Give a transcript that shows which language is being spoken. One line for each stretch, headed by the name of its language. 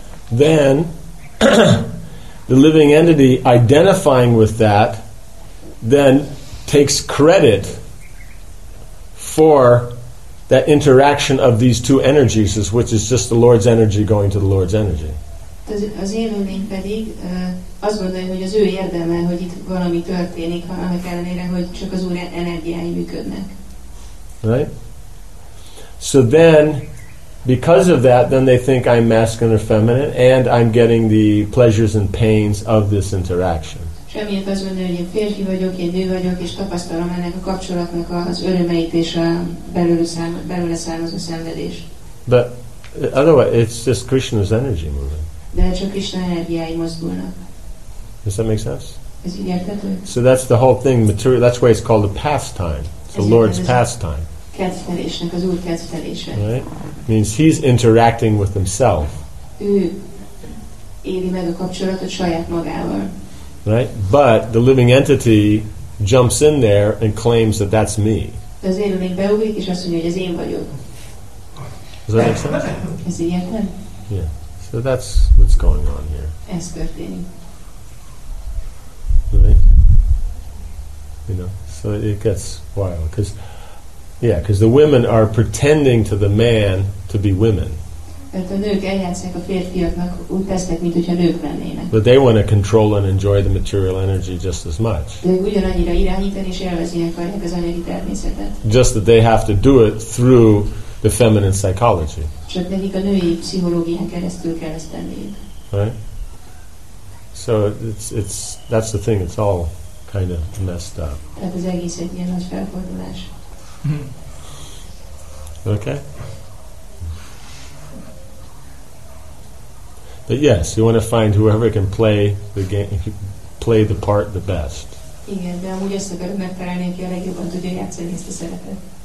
English: Then, the living entity identifying with that then takes credit for that interaction of these two energies, which is just the Lord's energy going to the Lord's energy.
Hungarian: Az élőlény pedig azt gondolja, hogy az ő érdeme, hogy itt valami történik, annak ellenére, hogy csak az Úr energiái működnek.
English: Right? So then, because of that, then they think I'm masculine or feminine, and I'm getting the pleasures and pains of this interaction.
Hungarian: És emiatt azt gondolja, hogy én férfi vagyok, én nő vagyok, és tapasztalom ennek a kapcsolatnak az örömeit és a belőle származó szenvedés.
English: But otherwise, it's just Krishna's energy moving. Does that make sense? So that's the whole thing. Material. That's why it's called a pastime. It's the Lord's pastime. Right? Means he's interacting with himself. Right? But the living entity jumps in there and claims that that's me. Does that make sense? Yeah. So that's what's going on here.
Hungarian: Ez történik.
English: Right? You know, so it gets wild. Because the women are pretending to the man to be women.
Hungarian: Mert a nők eljátszák a férfiaknak, úgy tesznek, mint hogyha nők lennének.
English: But they want to control and enjoy the material energy just as much.
Hungarian: De ugyanannyira irányítani és élvezni akarják az anyagi természetet.
English: Just that they have to do it through the feminine psychology.
Hungarian: Csak nekik a női pszichológián keresztül kell ezt tenni.
English: Right? So it's that's the thing. It's all kind of messed up.
Hungarian: Tehát az egész egy ilyen nagy felfordulás.
English: Okay? But yes, you want to find whoever can play the game, play the part the best.
Hungarian: Igen, de amúgy azt akarod megtalálni, aki a legjobban tudja játszani ezt a szerepet.